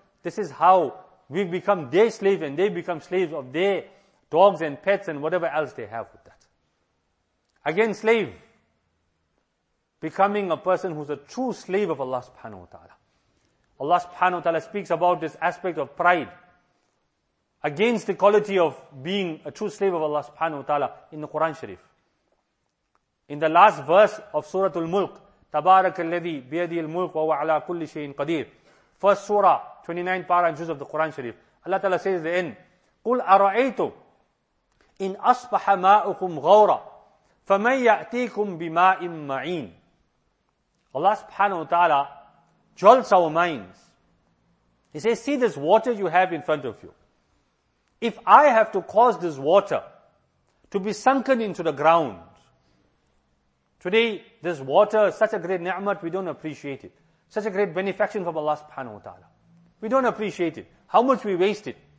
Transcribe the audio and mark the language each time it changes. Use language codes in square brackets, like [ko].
[en] This is how we've become their slaves and they become slaves of their dogs and pets and whatever else they have with that. Again, slave. Becoming a person who's a true slave of Allah subhanahu wa ta'ala. Allah subhanahu wa ta'ala speaks about this aspect of pride against the quality of being a true slave of Allah subhanahu wa ta'ala in the Quran Sharif. In the last verse of Surah Al-Mulk, [ar] تبارك الذي بيده الملك وهو على كل شيء قدير. [en] First Surah, 29 para and juice of the Quran Sharif. Allah ta'ala says at the end, [ar] قُلْ أَرَأَيْتُمْ إِنْ أَصْبَحَ مَاءُكُمْ غَوْرًا فَمَنْ يَأْتِيكُمْ بِمَاءٍ مَعِينٍ. [en] Allah subhanahu wa ta'ala jolts our minds. He says, see this water you have in front of you. If I have to cause this water to be sunken into the ground, today this water is such a great ni'mat, we don't appreciate it. Such a great benefaction from Allah subhanahu wa ta'ala. We don't appreciate it. How much we waste it.